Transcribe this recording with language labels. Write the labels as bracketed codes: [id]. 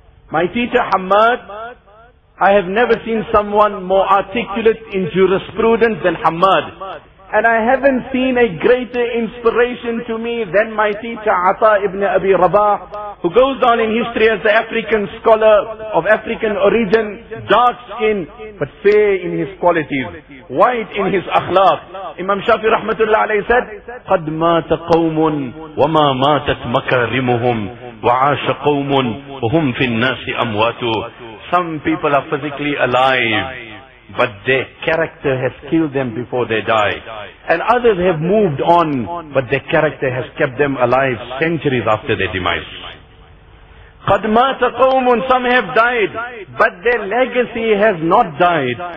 [en] My teacher Hammad, I have never seen someone more articulate in jurisprudence than Hammad. And I haven't seen a greater inspiration to me than my teacher Ata ibn Abi Rabah, who goes down in history as the African scholar of African origin, dark skin, but fair in his qualities, white in his akhlaq. Imam Shafi rahmatullah alayhi said, [ar] قَدْ مَاتَ قَوْمٌ وَمَا مَاتَتْ مَكَارِمُهُمْ وَعَاشَ قَوْمٌ وَهُمْ فِي النَّاسِ أَمْوَاتُ. [en] Some people are physically alive, but their character has killed them before they die. And others have moved on, but their character has kept them alive centuries after their demise. [ar] قَدْ مَاتَ قَوْمٌ. [en] Some have died, but their legacy has not died.